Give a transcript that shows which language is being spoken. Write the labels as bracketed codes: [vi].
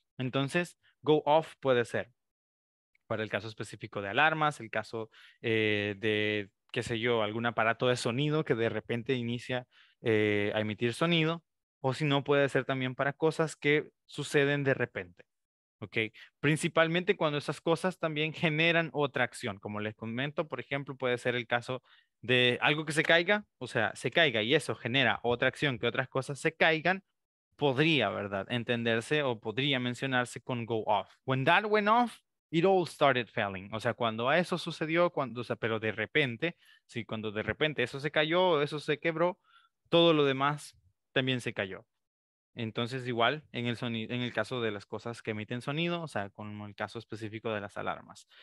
[es] Entonces, go off puede ser para el caso específico de alarmas, el caso de, qué sé yo, algún aparato de sonido que de repente inicia a emitir sonido, o si no, puede ser también para cosas que suceden de repente. Okay. Principalmente cuando esas cosas también generan otra acción, como les comento, por ejemplo, puede ser el caso de algo que se caiga, o sea, se caiga y eso genera otra acción, que otras cosas se caigan, podría, ¿verdad?, entenderse o podría mencionarse con go off. [en] When that went off, it all started failing. [es] O sea, cuando eso sucedió, pero de repente, sí, cuando de repente eso se cayó, eso se quebró, todo lo demás también se cayó. Entonces, igual en el sonido, en el caso de las cosas que emiten sonido, o sea, como el caso específico de las alarmas.